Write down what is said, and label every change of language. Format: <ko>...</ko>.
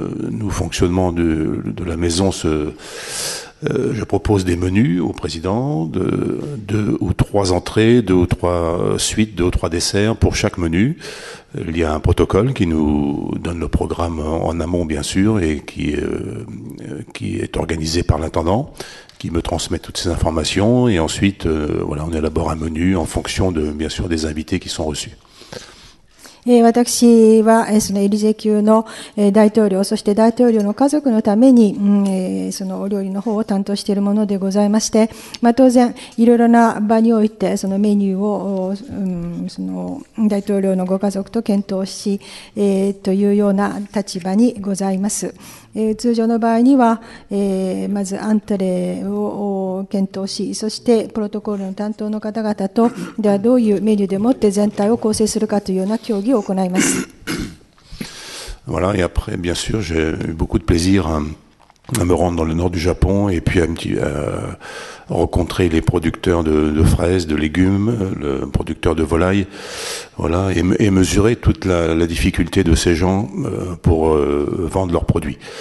<fr>Nous, fonctionnement de la maison, je propose des menus au président, de deux ou trois entrées, deux ou trois suites, deux ou trois desserts pour chaque menu. Il y a un protocole qui nous donne le programme en amont, bien sûr, et qui est organisé par l'intendant, qui me transmet toutes ces informations, et ensuite, on élabore un menu en fonction de, bien sûr, des invités qui sont reçus.</fr> <ja>私はそのエリゼ宮の大統領、そして大統領の家族のためにそのお料理の方を担当しているものでございまして、当然いろいろな場においてそのメニューをその大統領のご家族と検討しというような立場にございます。通常の場合にはまずアントレを検討し、そしてプロトコルの担当の方々とではどういうメニューでもって全体を構成するかというような協議を行います。</ja> <fr>Voilà, et après, bien sûr, j'ai eu beaucoup de plaisir à me rendre dans le nord du Japon et puis à rencontrer les producteurs de fraises, de légumes, le producteur de volaille, voilà, et mesurer toute la difficulté de ces gens pour vendre leurs produits.</fr>